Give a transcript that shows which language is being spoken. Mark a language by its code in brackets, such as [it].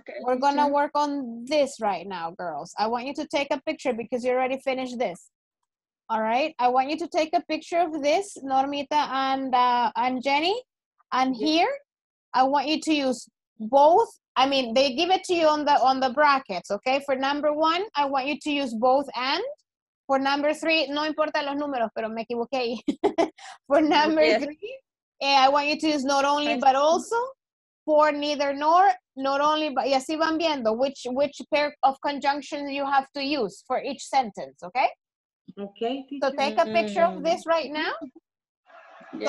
[en] We're gonna work on this right now, girls. I want you to take a picture because you already finished this. All right. I want you to take a picture of this, Normita and Jenny. And here, I want you to use both. I mean, they give it to you on the brackets, okay? For number one, I want you to use both and. For number three, [es] no importa los números, pero me equivoqué. [en] For number three, I want you to use not only but also. For neither nor, not only but. [es] Y así van viendo [en] which pair of conjunctions you have to use for each sentence, okay? Okay. Teacher. So take a picture of this right now. Yes.